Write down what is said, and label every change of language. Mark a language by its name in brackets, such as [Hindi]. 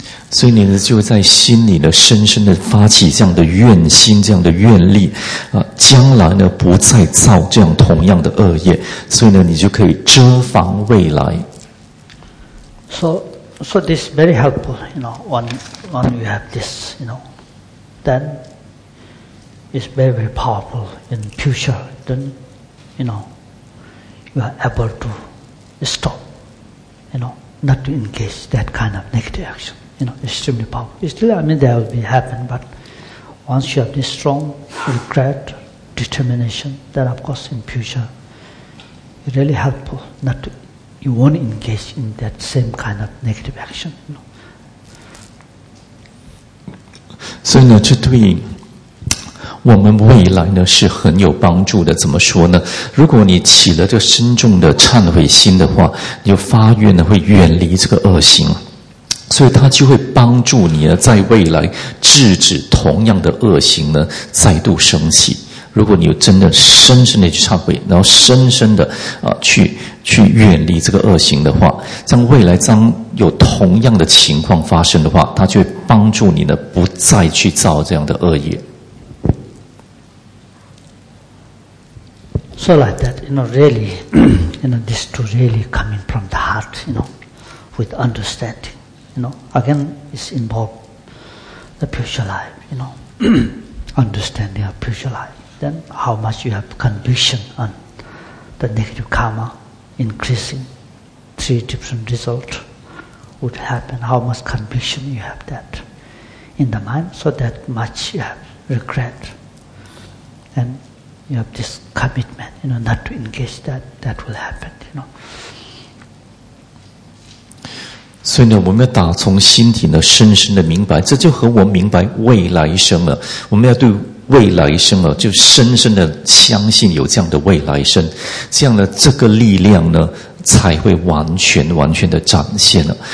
[Chinese] 所以你呢，就在心里呢，深深的发起这样的愿心，这样的愿力，将来呢，不再造这样同样的恶业。所以呢，你就可以遮防未来。 [English] So this is very helpful, you know. When you have this, you know, then it's very, very powerful in future. Then, you know, you are able to stop, you know, not to engage that kind of negative action. You know, extremely powerful. Still, I mean, there will be happen, but once you have this strong regret, determination, then of course in future, it really helpful not to, you won't engage in that same kind of negative action. You know. [Chinese] 所以呢，这对我们未来呢是很有帮助的。怎么说呢？如果你起了这深重的忏悔心的话，你就发愿呢会远离这个恶行。所以他就会帮助你呢，在未来制止同样的恶行呢再度升起。如果你有真的深深的去忏悔，然后深深的去远离这个恶行的话，像未来当有同样的情况发生的话，他就会帮助你呢不再去造这样的恶业。 [English] So like that, you know, really, you know, this to really coming from the heart, you know, with understanding. You know, again, it's involved the future life, you know, understanding of future life. Then how much you have conviction on the negative karma increasing, three different results would happen, how much conviction you have that in the mind, so that much you have regret. And you have this commitment, you know, not to engage that will happen, you know. [Chinese] 所以呢，我们要打从心底呢，深深的明白，这就和我们明白未来生了。我们要对未来生了，就深深的相信有这样的未来生，这样呢，这个力量呢，才会完全的展现了。